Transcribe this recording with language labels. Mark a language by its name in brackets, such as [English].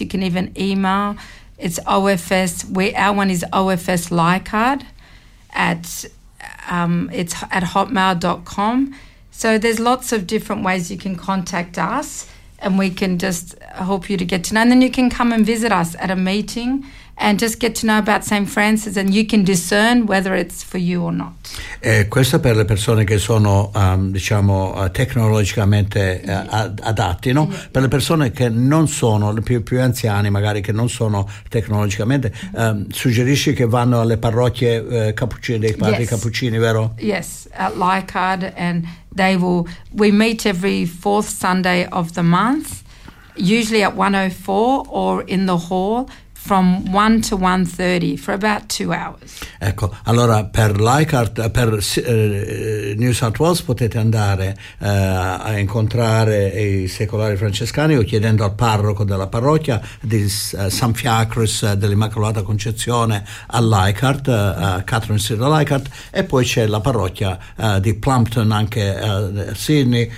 [English] You can even email. It's OFS. Our one is OFS Leichhardt at it's at hotmail.com. So there's lots of different ways you can contact us, and we can just help you to get to know. And then you can come and visit us at a meeting and just get to know about St. Francis, and you can discern whether it's for you or not. [Italian] Questo per le persone che sono diciamo tecnologicamente adatti, no? Per le persone che non sono, le più anziani magari, che non sono tecnologicamente, suggerisci che vanno alle parrocchie cappuccini dei padri cappuccini, vero? [English] Yes, at Leichhardt, and we meet every fourth Sunday of the month, usually at 104 or in the hall, from 1 to 1:30 for about 2 hours. [Italian] Ecco, allora per Leichhardt, per New South Wales potete andare a incontrare i secolari francescani o chiedendo al parroco della parrocchia di San Fiacres dell'Immacolata Concezione a Leichhardt, a Catherine Street a Leichhardt, e poi c'è la parrocchia di Plumpton anche a Sydney.